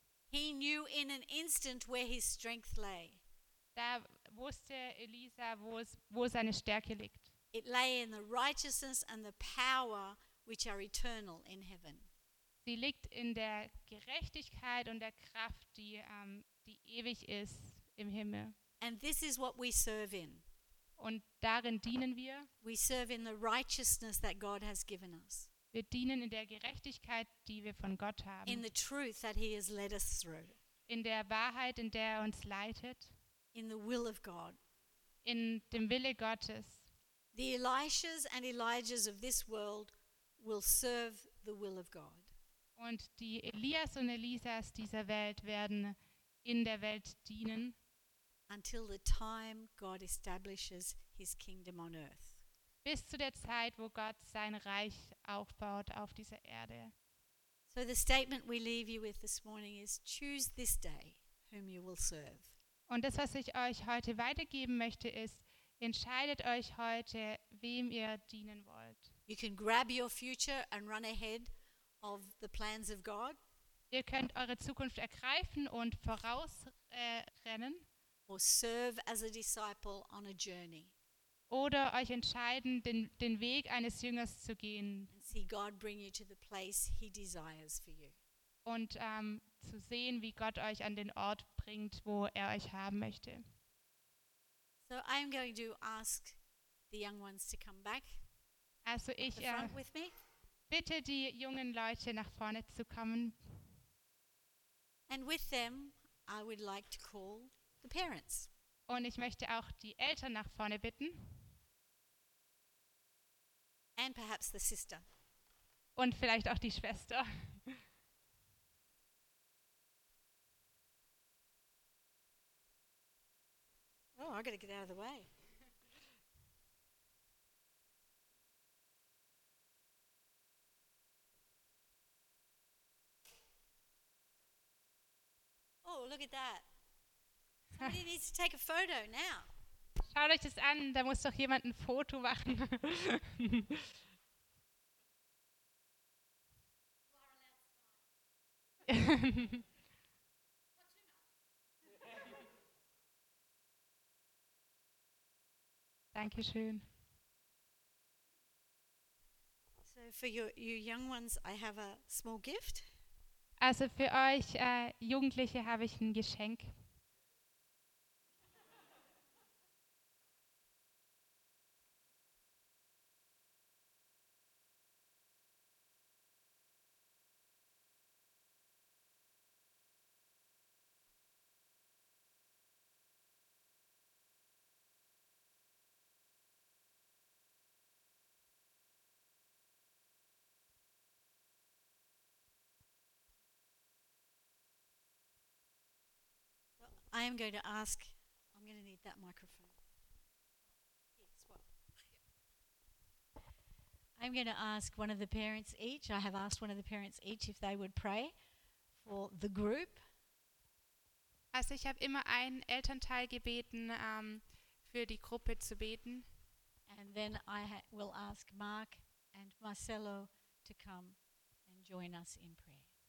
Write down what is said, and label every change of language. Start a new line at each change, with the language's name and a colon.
English: He knew in an instant where his strength lay.
German: Da wusste Elisa, wo seine Stärke liegt.
English: It lay in the righteousness and the power which are eternal in heaven.
German: Sie liegt in der Gerechtigkeit und der Kraft, die ewig ist im Himmel.
English: And this is what we serve in.
German: Und darin dienen wir.
English: We serve in the righteousness that God has given us.
German: Wir dienen in der Gerechtigkeit, die wir von Gott haben.
English: In the truth that he has led us through.
German: In der Wahrheit, in der er uns leitet.
English: In the will of God.
German: In dem Wille Gottes.
English: The Elishas and Elijahs of this world will serve the will of God.
German: Und die Elias und Elisas dieser Welt werden in der Welt dienen.
English: Until the time God establishes his kingdom on earth.
German: Bis zu der Zeit, wo Gott sein Reich aufbaut auf dieser Erde.
English: So the statement we leave you with this morning is, choose this day whom you will serve.
German: Und das, was ich euch heute weitergeben möchte, ist, entscheidet euch heute, wem ihr dienen wollt.
English: You can grab your future and run ahead of the plans of God.
German: Ihr könnt eure Zukunft ergreifen und vorausrennen.
English: Or serve as a disciple on a journey.
German: Oder euch entscheiden, den Weg eines Jüngers zu gehen.
English: And see God bring you to the place he desires for you.
German: Und zu sehen, wie Gott euch an den Ort bringt, wo er euch haben möchte.
English: So I'm going to ask the young ones to come back.
German: Also ich bitte die jungen Leute nach vorne zu kommen.
English: And with them I would like to call the parents.
German: Und ich möchte auch die Eltern nach vorne bitten.
English: And perhaps the sister.
German: Und vielleicht auch die Schwester.
English: Oh, I gotta get out of the way. Oh, look at that. Somebody needs to take a photo now.
German: Schaut euch das an, da muss doch jemand ein Foto machen. Dankeschön.
English: So for your young ones, I have a small gift.
German: Also für euch Jugendliche habe ich ein Geschenk.
English: I am going to ask, I'm going to need that microphone. Yes, well. I'm going to ask one of the parents each, I have asked one of the parents each if they would pray for the group.
German: Also ich habe immer einen Elternteil gebeten, für die Gruppe zu beten.
English: And then I will ask Mark and Marcelo to come and join us in prayer.